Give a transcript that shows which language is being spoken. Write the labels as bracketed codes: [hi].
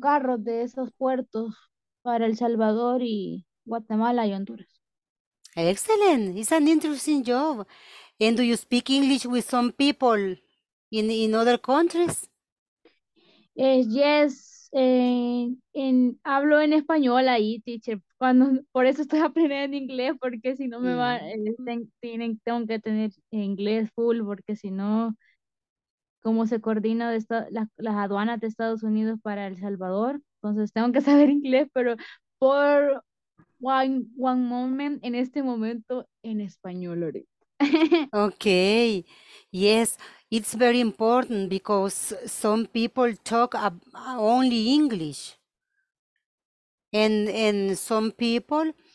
[es] carros de esos puertos para El Salvador y Guatemala y Honduras. [en] Excellent. It's an interesting job. And do you speak English with some people in other countries? [es] Yes, hablo en español ahí, teacher. Por eso estoy aprendiendo inglés, porque si no me va, tengo que tener inglés full, porque si no, ¿cómo se coordina las aduanas de Estados Unidos para El Salvador? Entonces tengo que saber inglés, pero por [en] one moment, [es] en este momento, en español, ahorita. [en] Okay, yes, it's very important because some people talk only English, and some people